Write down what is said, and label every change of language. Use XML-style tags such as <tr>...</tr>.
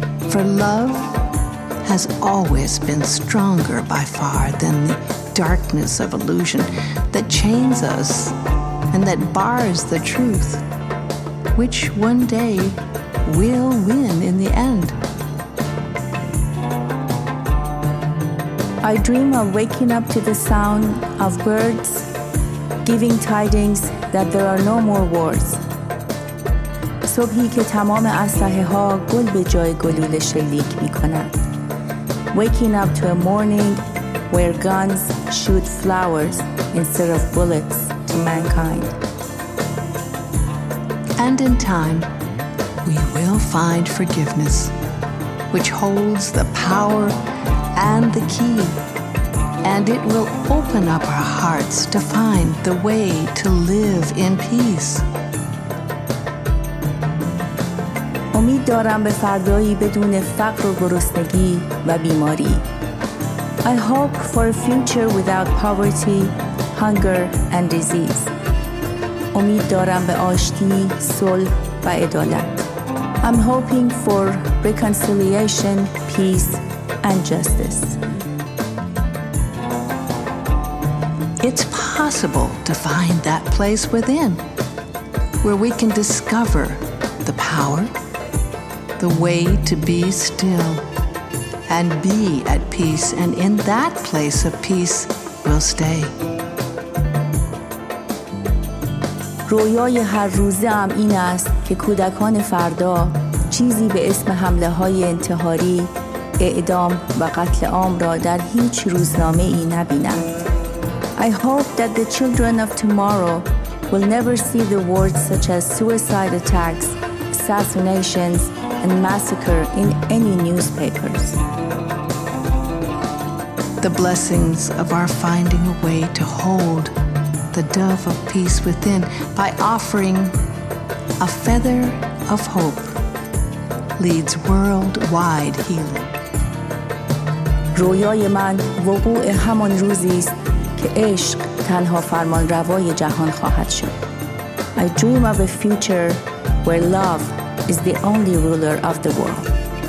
<en>For love has always been stronger by far than the darkness of illusion that chains us and that bars the truth, which one day will win in the end. I dream of waking up to the sound of birds giving tidings that there are no more wars.</en> <fa>صبحی که تمام اسلحه ها گل به جای گلوله شلیک می کنند.</fa> <en>Waking up to a morning where guns shoot flowers instead of bullets to mankind. And in time, we will find forgiveness, which holds the power and the key, and it will open up our hearts to find the way to live in peace.</en> <fa>امید دارم به فردایی بدون فقر و گرسنگی و بیماری.</fa> <en>I hope for a future without poverty, hunger and disease.</en> <fa>امید دارم به آشتی، صلح و عدالت.</fa> <en>I'm hoping for reconciliation, peace and justice. It's possible to find that place within where we can discover the power, the way to be still and be at peace, and in that place of peace we'll stay.</en> <fa>رویای هر روزه ام این است که کودکان فردا چیزی به اسم حمله های انتحاری، اعدام و قتل عام را در هیچ روزنامه ای نبینند.</fa> <en>I hope that the children of tomorrow will never see the words such as suicide attacks, assassinations and massacre in any newspapers. The blessings of our finding a way to hold the dove of peace within by offering a feather of hope leads worldwide healing.</en> <fa>رویای من وقوع همان روزی است که عشق تنها فرمان روای جهان خواهد شد.</fa> <en>I dream of a future where love is the only ruler of the world.</en>